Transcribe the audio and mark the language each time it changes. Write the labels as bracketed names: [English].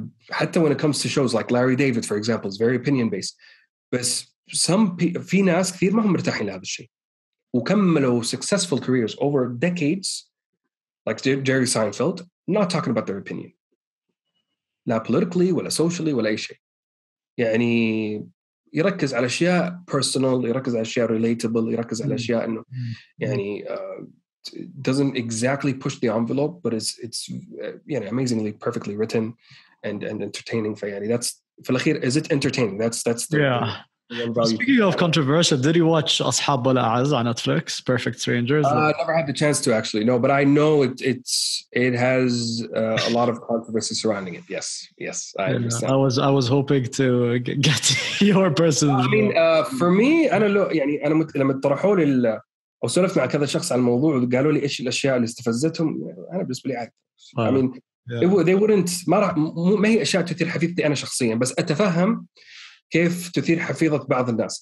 [Arabic] حتى [English] when it comes to shows like Larry David, for example, is very opinion-based. [Arabic] بس في ناس كثير ما هم مرتاحين لهذا الشيء. وكملوا [English] successful careers over decades, like Jerry Seinfeld, not talking about their opinion. Not politically, [Arabic] ولا [English] socially, [Arabic] ولا أي شيء. يعني يركز على أشياء [English] personal, [Arabic] يركز على أشياء [English] relatable, [Arabic] يركز على أشياء إنه يعني [English] doesn't exactly push the envelope, but it's amazingly perfectly written and entertaining. [Arabic] فيعني [English] that's [Arabic] في الأخير, [English] is it entertaining? That's yeah. Speaking of controversial, did you watch Ashab al-A'az on Netflix, Perfect Strangers? I never had the chance to, actually. No, but I know it has a lot of controversy surrounding it. Yes, yes, I understand. I was hoping to get your personal view. I mean, for me, I'm when I spoke to this person on the topic and they told me what the things that surprised them, I mean, yeah. They wouldn't, [Arabic] ما هي أشياء تثير حفيظتي أنا شخصيا, بس أتفهم كيف تثير حفيظة بعض الناس.